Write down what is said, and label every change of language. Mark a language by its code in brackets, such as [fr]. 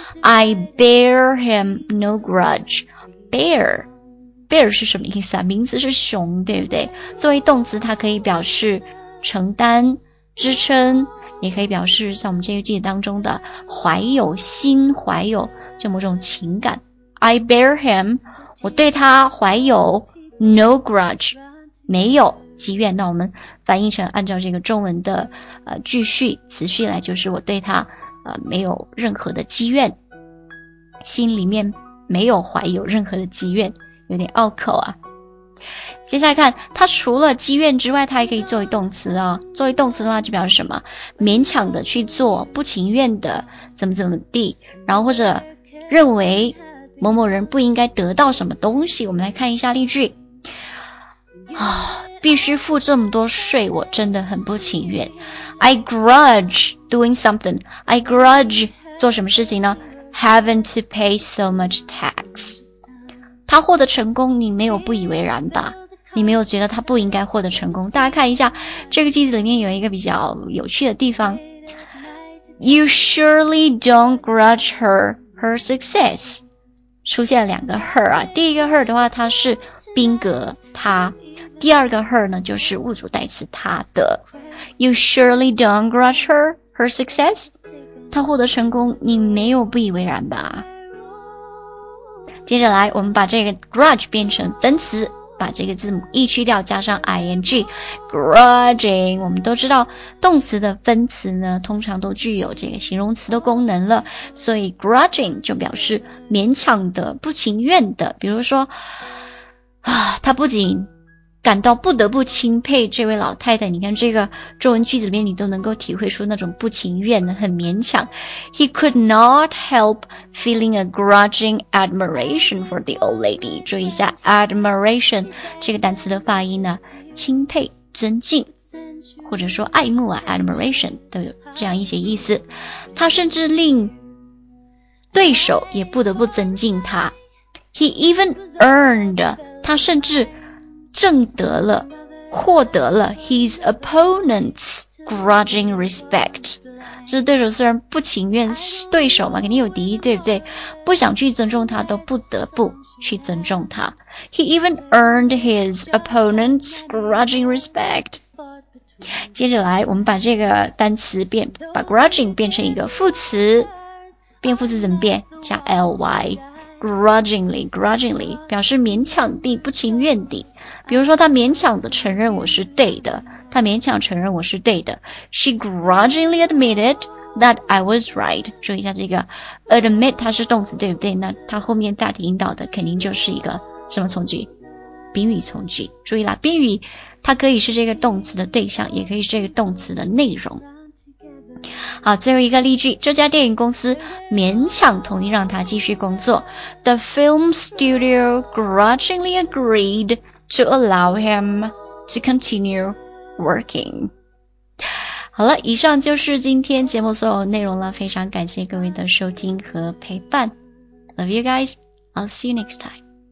[en] I bear him no grudge. Bear， bear [zh] 是什么意思啊？名词是熊，对不对？作为动词，它可以表示承担、支撑，也可以表示像我们这个句子当中的怀有心、怀有就某种情感。 [en] I bear him， [zh] 我对他怀有 [en] no grudge。 [zh] 没有积怨，那我们翻译成按照这个中文的句序词序来，就是我对他没有任何的积怨，心里面没有怀有任何的积怨，有点拗口啊。接下来看，他除了积怨之外，他还可以作为动词啊。作为动词的话，就表示什么？勉强的去做，不情愿的，怎么怎么地，然后或者认为某某人不应该得到什么东西。我们来看一下例句。必须付这么多税，我真的很不情愿。 [en] I grudge doing something. I grudge [zh] 做什么事情呢？ [en] Having to pay so much tax. [zh] 他获得成功，你没有不以为然吧？你没有觉得他不应该获得成功？大家看一下，这个句子里面有一个比较有趣的地方。 [en] You surely don't grudge her her success. [zh] 出现了两个 her 啊，第一个 her 的话，它是宾格他。第二个 her 呢，就是物主代词他的。 [en] You surely don't grudge her her success? [zh] 他获得成功，你没有不以为然吧？接下来，我们把这个 grudge 变成分词，把这个字母 e 去掉，加上 ing， grudging。我们都知道，动词的分词呢，通常都具有这个形容词的功能了，所以 grudging 就表示勉强的、不情愿的。比如说，他不仅感到不得不钦佩这位老太太，你看这个中文句子里面，你都能够体会出那种不情愿的，很勉强。 [en] He could not help feeling a grudging admiration for the old lady. [zh] 注意一下 admiration 这个单词的发音呢，钦佩、尊敬，或者说爱慕啊 ，admiration 都有这样一些意思。他甚至令对手也不得不尊敬他。 [en] He even earned， [zh] 他甚至挣得了，获得了 [en] his opponent's grudging respect， [zh] 这对手虽然不情愿，是对手嘛，肯定有敌意，对不对？不想去尊重他，都不得不去尊重他。 [en] He even earned his opponent's grudging respect。 [zh] 接着来，我们把这个单词变，把 grudging 变成一个副词，变副词怎么变？加 ly， grudgingly， grudgingly 表示勉强地、不情愿地。比如说他勉强地承认我是对的，他勉强承认我是对的。 [en] She grudgingly admitted that I was right. [zh] 注意一下这个 admit， 它是动词，对不对？那它后面大体引导的肯定就是一个什么从句？宾语从句。注意啦，宾语它可以是这个动词的对象，也可以是这个动词的内容。好，最后一个例句，这家电影公司勉强同意让他继续工作。 [en] The film studio grudgingly agreed to allow him to continue working. [zh] 好了，以上就是今天节目所有内容了，非常感谢各位的收听和陪伴。 [en] Love you guys. I'll see you next time.